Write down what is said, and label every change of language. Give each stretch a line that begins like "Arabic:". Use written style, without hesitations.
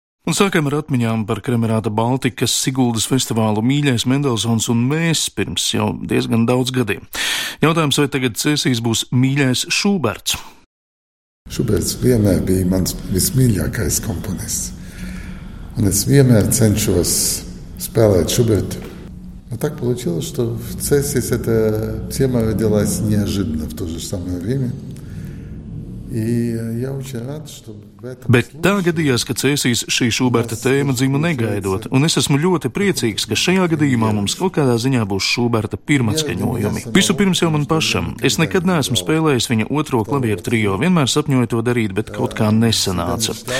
Latvian: Un sākam ar atmiņām par Kremerāta Baltikas Siguldas festivālu Mīļais Mendelsons un mēs pirms jau diezgan daudz gadiem. Jautājums, vai tagad Cēsīs būs Mīļais Šuberts? Šuberts vienmēr bija mans vismīļākais komponists. Un es vienmēr cenšos spēlēt Šubertu.
Russian: Но так получилось, что в Цесис эта тема родилась неожиданно в то же самое время. И я очень рад, что
Latvian: Bet tā gadījās, ka Cēsīs šī Šuberta tēma dzimu negaidot, un es esmu ļoti priecīgs, ka šajā gadījumā mums kaut kādā ziņā būs Šuberta pirmatskaņojumi. Visu pirms jau man pašam. Es nekad neesmu spēlējis viņa otro klavieru trio, vienmēr sapņoju to darīt, bet kaut kā nesanāca.